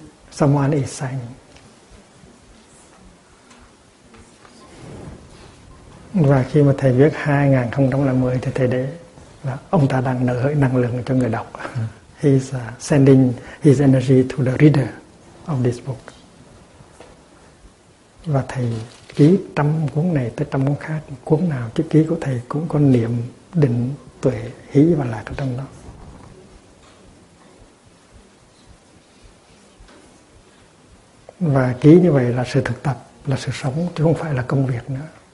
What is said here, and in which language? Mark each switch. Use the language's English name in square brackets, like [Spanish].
[English] Someone is signing. [Vietnamese] Và khi mà thầy viết 2010 thì thầy để là ông ta đang nở hơi năng lượng cho người đọc. [English] He is sending his energy to the reader of this book. [Vietnamese] Và thầy ký trăm cuốn này tới trăm cuốn khác, cuốn nào chữ ký của thầy cũng có niệm, định, tuệ, hỷ và lạc ở trong đó. Và ký như vậy là sự thực tập, là sự sống, chứ không phải là công việc nữa.